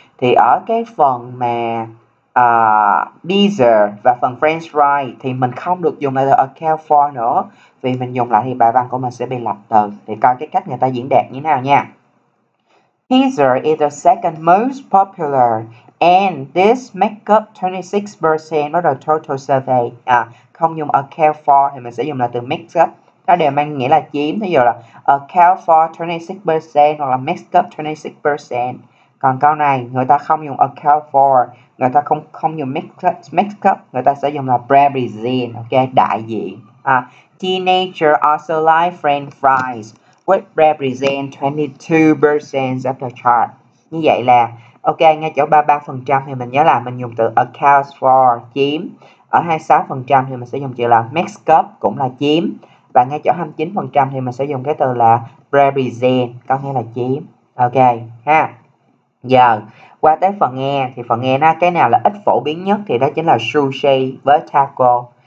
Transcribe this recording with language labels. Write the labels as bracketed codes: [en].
[vi] Thì ở cái phần mà pizza và phần french fry thì mình không được dùng lại từ account for nữa. Vì mình dùng lại thì bài văn của mình sẽ bị lặp từ. Thì coi cái cách người ta diễn đạt như thế nào nha. [en] Pizza is the second most popular and this make up 26% of the total survey. [vi] Không dùng account for thì mình sẽ dùng lại từ make up. Nó đều mang nghĩa là chiếm. Thí dụ là account for 26% hoặc là make up 26%. Còn câu này người ta không dùng account for, người ta không dùng mix up, người ta sẽ dùng là represent, ok, đại diện. [en] Teenager also like french fries, which represent 22% of the chart. [vi] Như vậy là, ok, ngay chỗ 33% thì mình nhớ là mình dùng từ accounts for, chiếm. Ở 26% thì mình sẽ dùng chữ là mix up, cũng là chiếm. Và ngay chỗ 29% thì mình sẽ dùng cái từ là represent, có nghĩa là chiếm. Ok, ha. Giờ qua tới phần nghe thì phần nghe nó cái nào là ít phổ biến nhất thì đó chính là sushi với taco.